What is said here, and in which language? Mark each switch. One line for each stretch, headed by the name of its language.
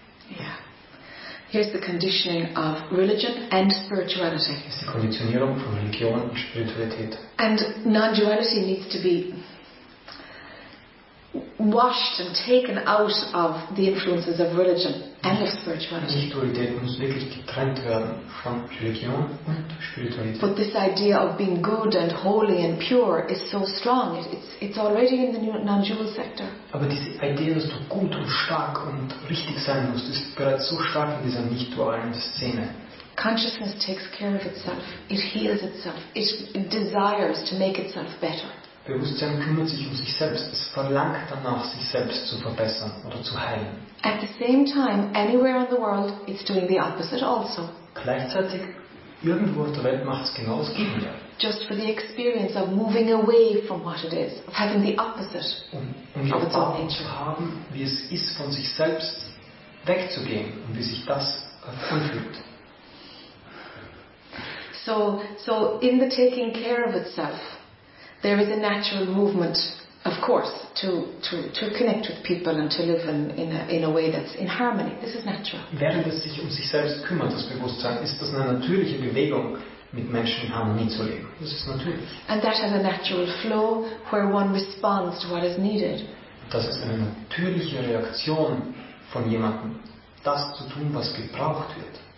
English: Yeah. Here's the conditioning of religion and spirituality.
German: Ist die Konditionierung von Religion und Spiritualität.
English: And non-duality needs to be washed and taken out of the influences of religion. and of spirituality.
German: Spiritualität muss wirklich getrennt werden von Religion und Spiritualität.
English: But this idea of being good and holy and pure is so strong. It's already in the non-dual sector.
German: Aber diese Idee, dass du gut und stark und richtig sein musst, ist bereits so stark in dieser nicht-dualen Szene.
English: Consciousness takes care of itself. It heals itself. It desires to make itself better.
German: Bewusstsein kümmert sich um sich selbst. Es verlangt danach, sich selbst zu verbessern oder zu heilen.
English: At the same time, anywhere in the world, it's doing the opposite also.
German: Gleichzeitig, irgendwo auf der Welt macht es genau das Gegenteil.
English: Just for the experience of moving away from what it is, of having the opposite of its own nature.
German: Um zu haben, wie es ist, von sich selbst wegzugehen und wie sich das anfühlt.
English: So in the taking care of itself, there is a natural movement, of course, to connect with people and to live in a way that's in harmony. This is natural.
German: Während es sich um sich selbst kümmert, das Bewusstsein, ist das eine natürliche Bewegung, mit Menschen in Harmonie zu leben. Das ist natürlich.
English: And that has a natural flow where one responds to what is needed.
German: Das ist eine natürliche Reaktion von jemandem, das zu tun, was gebraucht wird.